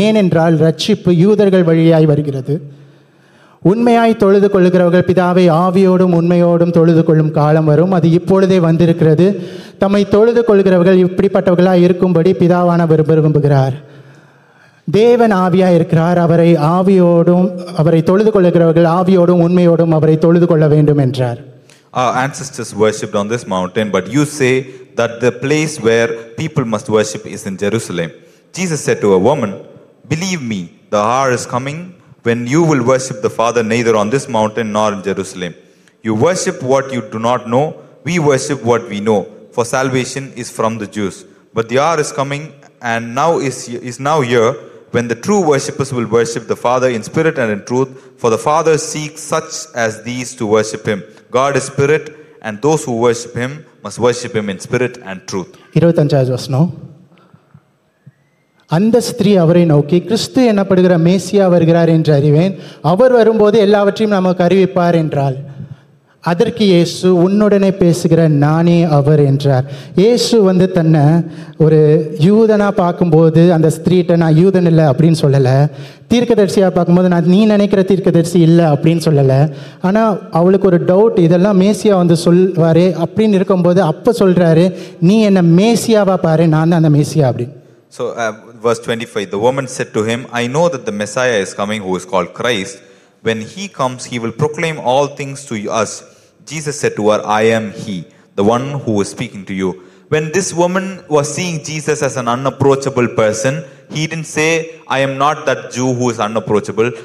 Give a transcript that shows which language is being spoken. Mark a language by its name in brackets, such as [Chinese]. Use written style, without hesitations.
[Tamil] ஏனென்றால் ரட்சிப்பு யூதர்கள் வழியாய் வருகிறது. உண்மையாய் தொழுது கொள்கிறவர்கள் பிதாவை ஆவியோடும் உண்மையோடும் தொழுது கொள்ளும் காலம் வரும். அது இப்பொழுதே வந்திருக்கிறது. தம்மை தொழுது கொள்கிறவர்கள் இப்படிப்பட்டவர்களாய் இருக்கும்படி பிதாவானவர் விரும்புகிறார். தேவன் ஆவியாய் இருக்கிறார். அவரை ஆவியோடும் அவரை தொழுது கொள்கிறவர்கள் ஆவியோடும் உண்மையோடும் அவரை தொழுது கொள்ள வேண்டும் என்றார். [English] Our ancestors worshipped on this mountain, but you say that the place where people must worship is in Jerusalem. Jesus said to a woman, believe me, the hour is coming when you will worship the Father neither on this mountain nor in Jerusalem. You worship what you do not know. We worship what we know, for salvation is from the Jews. But the hour is coming and now is now here when the true worshippers will worship the Father in spirit and in truth, for the Father seeks such as these to worship him. God is spirit and those who worship him must worship him in spirit and truth. 25th verse, no? [Tamil] அந்த ஸ்திரீ அவரை நோக்கி, கிறிஸ்து எனப்படுகிற மேசியா வருகிறார் என்று அறிவேன், அவர் வரும்போது எல்லாவற்றையும் நமக்கு அறிவிப்பார் என்றால், அதற்கு இயேசு, உன்னுடனே பேசுகிற நானே அவர் என்றார். இயேசு வந்து தன்னை ஒரு யூதனா பார்க்கும்போது அந்த ஸ்திரீட்ட நான் யூதன் இல்லை அப்படின்னு சொல்லலை. தீர்க்கதரிசியா பார்க்கும்போது நான் நீ நினைக்கிற தீர்க்கதரிசி இல்லை அப்படின்னு சொல்லலை. ஆனால் அவளுக்கு ஒரு டவுட், இதெல்லாம் மேசியா வந்து சொல்வாரு அப்படின்னு இருக்கும்போது அப்போ சொல்றாரு, நீ என்ன மேசியாவா பாரு, நான் தான் அந்த மேசியா அப்படின்னு. [English] So verse 25, the woman said to him, I know that the Messiah is coming, who is called Christ. When he comes, he will proclaim all things to us. Jesus said to her, I am he, the one who is speaking to you. When this woman was seeing Jesus as an unapproachable person, he didn't say, I am not that Jew who is unapproachable.